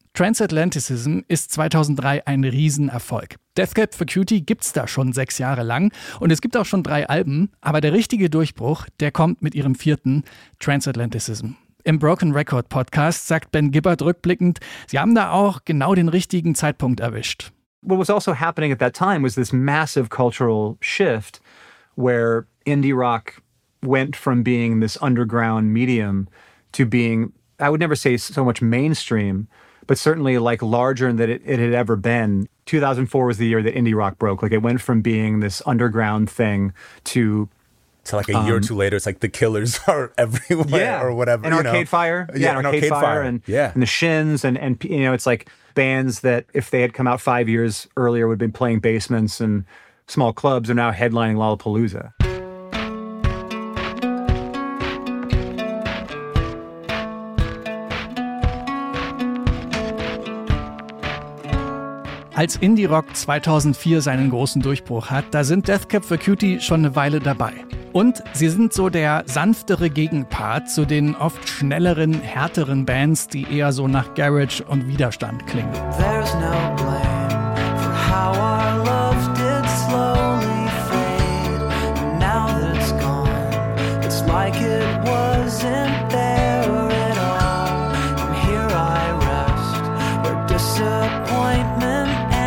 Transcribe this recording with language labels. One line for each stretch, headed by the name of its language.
German: Transatlanticism ist 2003 ein Riesenerfolg. Death Cab for Cutie gibt's da schon 6 Jahre lang und es gibt auch schon 3 Alben, aber der richtige Durchbruch, der kommt mit ihrem 4. Transatlanticism. Im Broken Record Podcast sagt Ben Gibbard rückblickend, sie haben da auch genau den richtigen Zeitpunkt erwischt.
English: What was also happening at that time was this massive cultural shift where indie rock went from being this underground medium to being, I would never say so much mainstream, but certainly like larger than it had ever been. 2004 was the year that indie rock broke. Like it went from being this underground thing to like a year or two later, it's like the Killers are everywhere, yeah, or whatever. And Arcade Fire. Yeah, and Arcade Fire. And the Shins. And you know, it's like bands that if they had come out 5 years earlier would have been playing basements and small clubs are now headlining Lollapalooza.
German: Als Indie-Rock 2004 seinen großen Durchbruch hat, da sind Death Cab for Cutie schon eine Weile dabei. Und sie sind so der sanftere Gegenpart zu den oft schnelleren, härteren Bands, die eher so nach Garage und Widerstand klingen.
English: There's no blame for how our love did slowly fade. And now that it's gone, it's like it wasn't there at all. And here I rest, where disappointment.